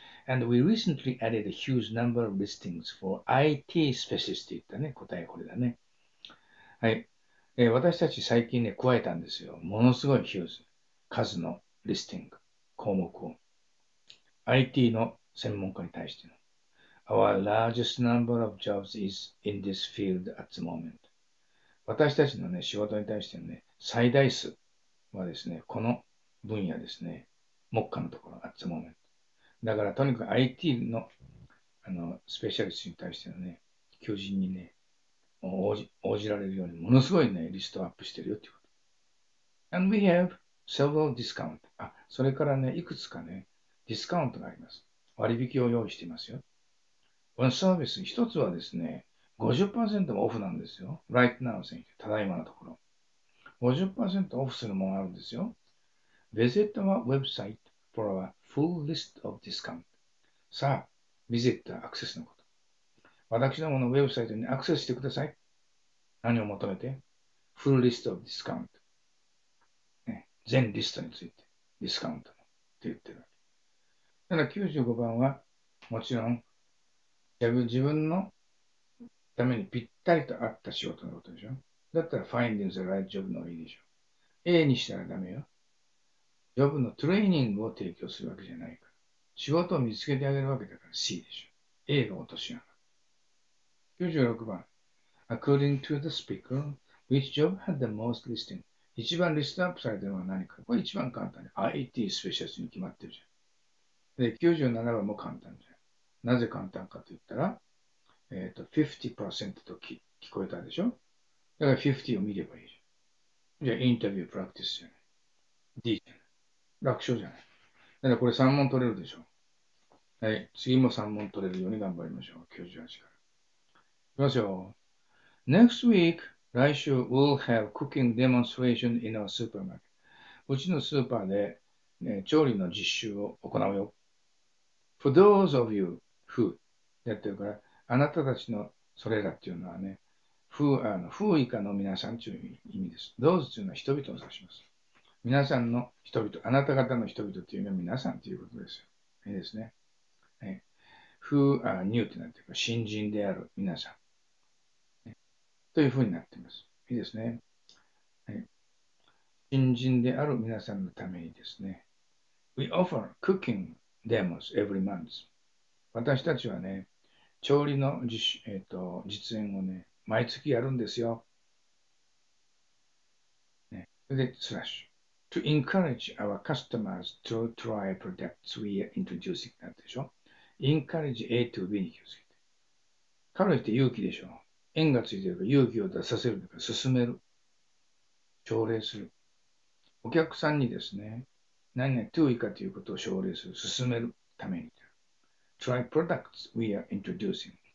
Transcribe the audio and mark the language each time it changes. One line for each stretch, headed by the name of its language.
English: And we recently added a huge number of listings for IT specialists
Japanese: って言ったね。答えはこれだね。はい。私たち最近ね、加えたんですよ。ものすごいヒューズ。数のリスティング、項目を。 IT の専門家に対しての。
English: Our largest number of jobs is in this field at the moment.
Japanese: 私たちのね、仕事に対してのね、最大数はですね、この分野ですね、目下のところ、
English: at the moment。
Japanese: だから、とにかく IT の、スペシャリストに対してのね、求人にね、応じられるように、ものすごいね、リストアップしてるよっていうこと。
English: And we have several discounts.
Japanese: あ、それからね、いくつかね、ディスカウントがあります。割引を用意していますよ。
English: One service,
Japanese: 一つはですね、50% オフなんですよ。
English: Right now,
Japanese: 先生、ただいまのところ。50% オフするものあるんですよ。
English: Visit our website for our full list of discount.
Japanese: さあ、ビジットはアクセスのこと。私どものウェブサイトにアクセスしてください。何を求めて ?
English: Full list of discount、
Japanese: ね。全リストについて、ディスカウントって言ってるわけ。だから95番は、もちろん、自分のためにぴったりと合った仕事のことでしょ。だったら
English: Finding the right job
Japanese: のいいでしょ。A にしたらダメよ。ジョブのトレーニングを提供するわけじゃないから。仕事を見つけてあげるわけだから C でしょ。 A が落とし穴。96番。
English: According to the speaker, which job had the most listing?
Japanese: 一番リストアップされてるのは何か。これ一番簡単に。IT スペシャリストに決まってるじゃん。で、97番も簡単じゃん。なぜ簡単かと言ったら、50% と聞こえたでしょ。だから50を見ればいいじゃん。じゃあ、インタビュープラクティスじゃない。 D じゃない。楽勝じゃない。だからこれ3問取れるでしょう。はい。次も3問取れるように頑張りましょう。 98から。いきますよ。
English: Next week,
Japanese: 来週
English: we'll have cooking demonstration in our supermarket.
Japanese: うちのスーパーで、ね、調理の実習を行うよ。
English: For those of you who,
Japanese: やってるから、あなたたちのそれらっていうのはね、who 以下の皆さんという意味です。 those というのは人々を指します。皆さんの人々、あなた方の人々っていうのは皆さんということですよ。いいですね。はい、
English: who are new
Japanese: ってなってるか、新人である皆さん、ね。というふうになっています。いいですね、はい。新人である皆さんのためにですね。
English: We offer cooking demos every month.
Japanese: 私たちはね、調理の実演をね、毎月やるんですよ。ね、それで、スラッシュ。
English: To encourage our customers to try products we are introducing.
Japanese: なんでしょ ?
English: Encourage A to B
Japanese: に気をつけて。彼女って勇気でしょ縁がついてるから勇気を出させるから進める。奨励する。お客さんにですね、何々2以下ということを奨励する。進めるために。
English: Try products we are introducing.